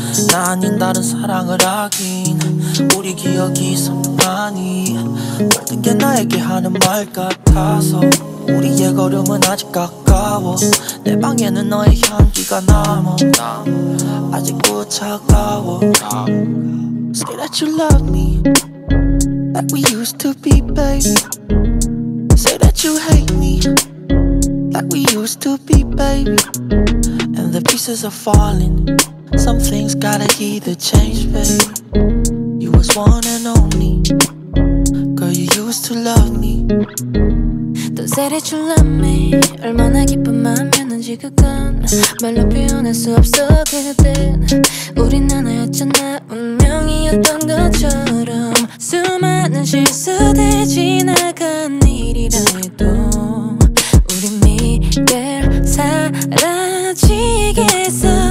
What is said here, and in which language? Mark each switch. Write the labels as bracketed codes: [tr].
[ko] 나 아닌 다른 사랑을 하긴 우리 기억이 선명하니 모든 게 나에게 하는 말 같아서 우리의 걸음은 아직 가까워 내 방에는 너의 향기가 남아 아직도 차가워 [en] Say that you love me Like we used to be, baby Say that you hate me Like we used to be, baby And the pieces are falling Some things gotta either change, baby You was one and only Girl, you used to love me Don't say that you love me [ko] 얼마나 깊은 마음이었는지 그건 말로 표현할 수 없어 그땐 우린 하나였잖아 운명이었던 것처럼 수많은 실수들 지나간 일이라 해도 우린 미래를 사라지겠어